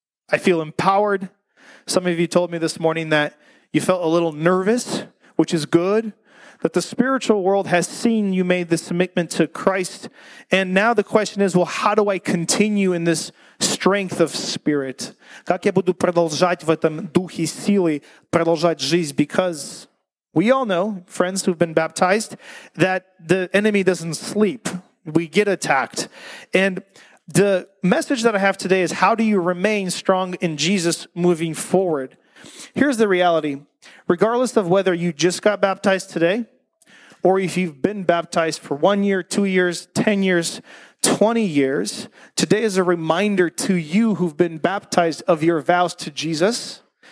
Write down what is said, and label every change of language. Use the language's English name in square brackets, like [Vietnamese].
[English] I feel empowered. Some of you told me this morning that you felt a little nervous, which is good, that the spiritual world has seen you made this commitment to Christ. And now the question is, well, how do I continue in this strength of spirit? [Russian] Как я буду продолжать в этом духе силы, продолжать жизнь? [English] Because we all know, friends who've been baptized, that the enemy doesn't sleep. We get attacked. And the message that I have today is, how do you remain strong in Jesus moving forward? Here's the reality. Regardless of whether you just got baptized today, or if you've been baptized for 1 year, 2 years, 10 years, 20 years, today is a reminder to you who've been baptized of your vows to Jesus.